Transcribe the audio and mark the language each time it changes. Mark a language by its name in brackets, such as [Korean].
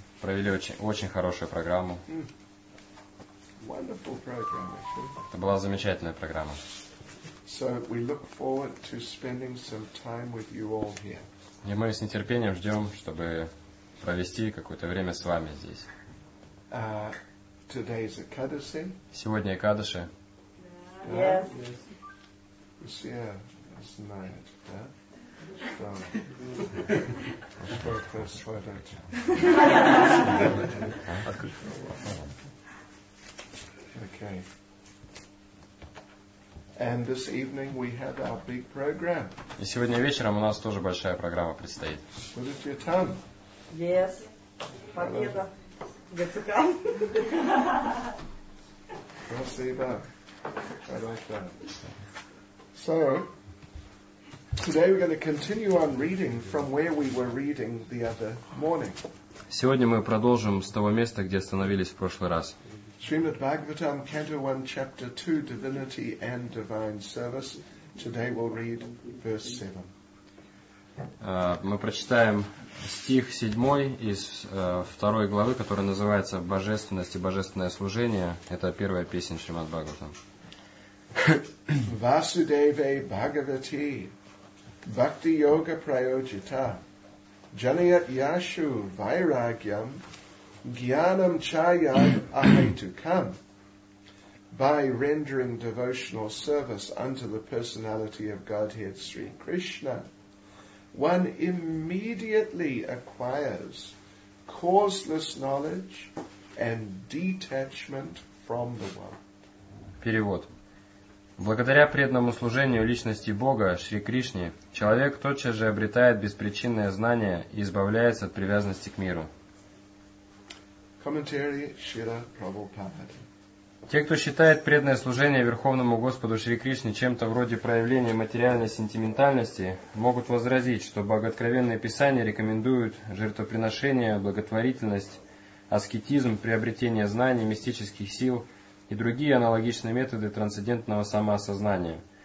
[Russian] Провели очень хорошую программу. [English] Wonderful program, actually. [Russian] Это была замечательная программа. [English] So we look forward to spending some time with you all here. [Russian] И мы с нетерпением ждем, чтобы провести какое-то время с вами здесь. [English] Today is Экадаси. [Russian] Сегодня Экадаши. [English] Yes. Yes. Yes. Yes. Yes. Okay. And this evening we have our big program. [Russian] И сегодня вечером у нас тоже большая программа предстоит. [English] Put it to your tongue. Yes. [Russian] Победа. [English] Let's see that. I like that. So, today we're going to continue on reading from where we were reading the other morning. Сегодня мы продолжим с того места, где остановились в прошлый раз. Srimad Bhagavatam, Canto 1, Chapter 2, Divinity and Divine Service. Today we'll read verse 7. [Russian] Мы прочитаем стих 7 из 2 главы, который называется «Божественность и божественное служение». Это первая песня Шримад Бхагаватам. [Sanskrit] Vasudeve Bhagavati Bhakti Yoga Prayojita Janayat Yashu Vairagyam Gyanam Chayam Ahetukam. [English] By rendering devotional service unto the personality of Godhead Sri Krishna, one immediately acquires causeless knowledge and detachment from the world. [Russian] Перевод. Благодаря преданному служению личности Бога, Шри Кришне, человек тотчас же обретает беспричинное знание и избавляется от привязанности к миру. [English] Commentary Shira Prabhupada. [Russian] Те, кто считает преданное служение Верховному Господу Шри Кришне чем-то вроде проявления материальной сентиментальности, могут возразить, что богооткровенные писания рекомендуют жертвоприношение, благотворительность, аскетизм, приобретение знаний, мистических сил и другие аналогичные методы трансцендентного самоосознания.